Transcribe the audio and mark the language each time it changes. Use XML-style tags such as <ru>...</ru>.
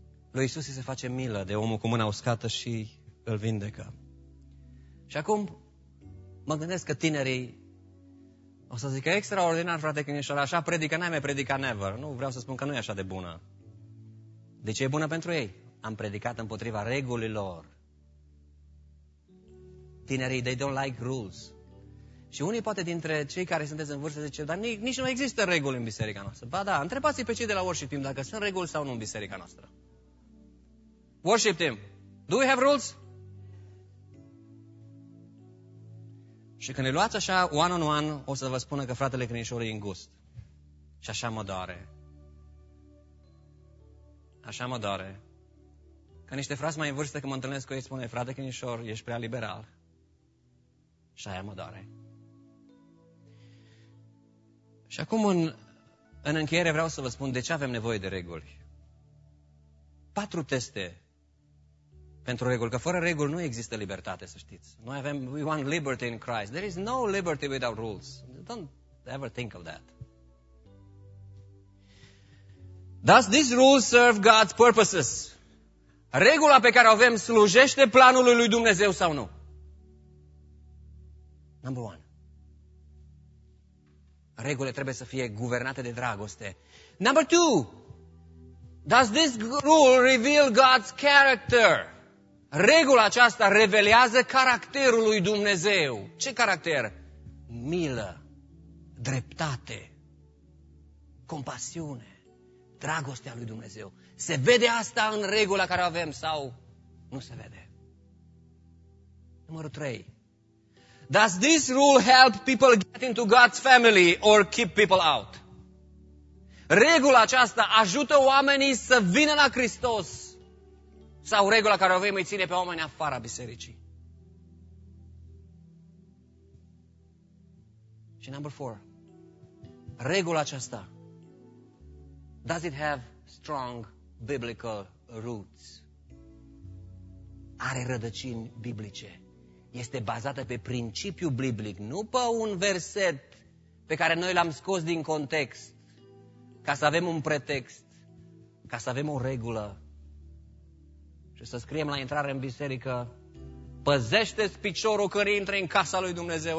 <ro>Lui Iisus îi se face milă de omul cu mâna uscată și îl vindecă. Și acum mă gândesc că tinerii o să zică, extraordinar, frate Crinișor, așa predică, n-ai mai predica never. Nu vreau să spun că nu e așa de bună. De ce e bună pentru ei? Am predicat împotriva regulilor.</ro> <en>Tinerii, they don't like rules.</en> <ro>Și unii poate dintre cei care sunteți în vârstă zice, dar nici nu există reguli în biserica noastră. Ba da, întrebați-i pe cei de la worship team dacă sunt reguli sau nu în biserica noastră.</ro> <en>Worship team, do we have rules?</en> <ro>Și când îi luați așa,</ro> <en>one on one,</en> <ro>o să vă spună că fratele Crinișor e îngust. Și așa mă doare. Așa mă doare. Că niște frați mai în vârstă, când mă întâlnesc cu ei, spune, frate Crinișor, ești prea liberal. Și aia mă doare. Și acum, în încheiere, vreau să vă spun de ce avem nevoie de reguli. Patru teste pentru reguli, că fără reguli nu există libertate, să știți. Noi avem,</ro> <en>we want liberty in Christ. There is no liberty without rules. Don't ever think of that. Does this rule serve God's purposes?</en> <ro>Regula pe care o avem slujește planului lui Dumnezeu sau nu?</ro> <en>Number one.</en> <ro>Regulile trebuie să fie guvernate de dragoste.</ro> <en>Number two. Does this rule reveal God's character?</en> <ro>Regula aceasta revelează caracterul lui Dumnezeu. Ce caracter? Milă, dreptate, compasiune, dragostea lui Dumnezeu. Se vede asta în regula care avem sau nu se vede? Numărul 3.</ro> <en>Does this rule help people get into God's family or keep people out?</en> <ro>Regula aceasta ajută oamenii să vină la Hristos sau regula care avem îi ține pe oameni afară bisericii?</ro> <en>Și number 4.</en> <ro>Regula aceasta,</ro> <en>does it have strong biblical roots?</en> <ro>Are rădăcini biblice. Este bazată pe principiu biblic, nu pe un verset pe care noi l-am scos din context ca să avem un pretext, ca să avem o regulă și să scriem la intrare în biserică: păzește-ți piciorul când intri în casa lui Dumnezeu.</ro>